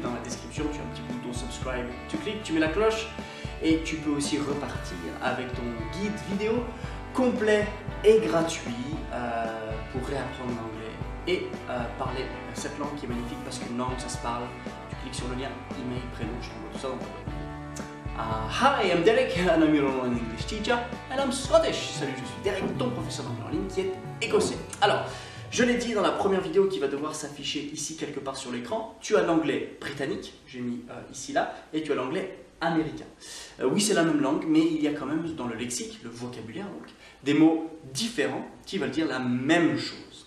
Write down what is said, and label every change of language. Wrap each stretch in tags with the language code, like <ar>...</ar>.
<fr>Dans la description, tu as un petit bouton subscribe. Tu cliques, tu mets la cloche et tu peux aussi repartir avec ton guide vidéo complet et gratuit pour réapprendre l'anglais et parler cette langue qui est magnifique parce qu'une langue, ça se parle. Tu cliques sur le lien, email, prénom, je t'envoie tout ça dans ton boîte.</fr> <en>Hi, I'm Derek, and I'm your online English teacher, and I'm Scottish.</en> <fr>Salut, je suis Derek, ton professeur d'anglais en ligne qui est écossais. Alors, je l'ai dit dans la première vidéo qui va devoir s'afficher ici quelque part sur l'écran, tu as l'anglais britannique, j'ai mis ici là, et tu as l'anglais américain. Oui, c'est la même langue, mais il y a quand même dans le lexique, le vocabulaire, donc, des mots différents qui veulent dire la même chose.</fr>